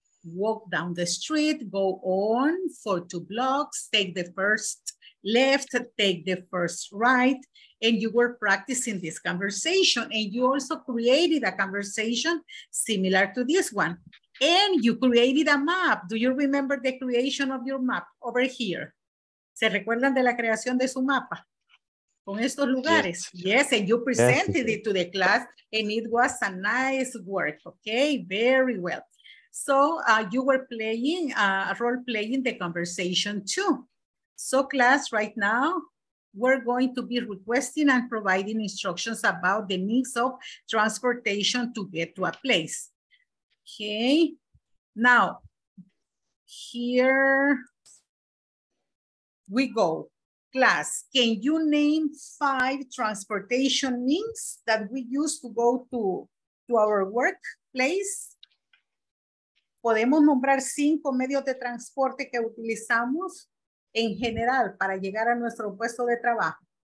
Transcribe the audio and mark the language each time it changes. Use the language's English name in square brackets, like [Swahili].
[English] Walk down the street, go on for 2 blocks, take the first left, take the first right, and you were practicing this conversation, and you also created a conversation similar to this one, and you created a map. Do you remember the creation of your map over here? [Spanish] ¿Se recuerdan de la creación de su mapa? Con estos lugares. [English] Yes, and you presented it to the class, and it was a nice work, okay? Very well. So you were playing, role-playing the conversation too. So class, right now, we're going to be requesting and providing instructions about the needs of transportation to get to a place. Okay, now, here we go. Class, can you name 5 transportation means that we use to go to our workplace? [Spanish] ¿Podemos nombrar 5 medios de transporte que utilizamos en general para llegar a nuestro puesto de trabajo?